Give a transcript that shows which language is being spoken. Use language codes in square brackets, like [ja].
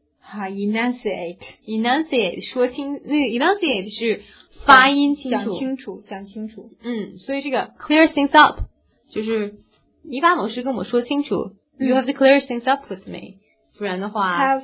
[en] Enunciate [zh] 说清，那个 enunciate 是发音清楚，讲清楚。所以这个 [en] clear things up [zh] 就是你把某事跟我说清楚。 [en] You have to clear things up with me， [zh] 不然的话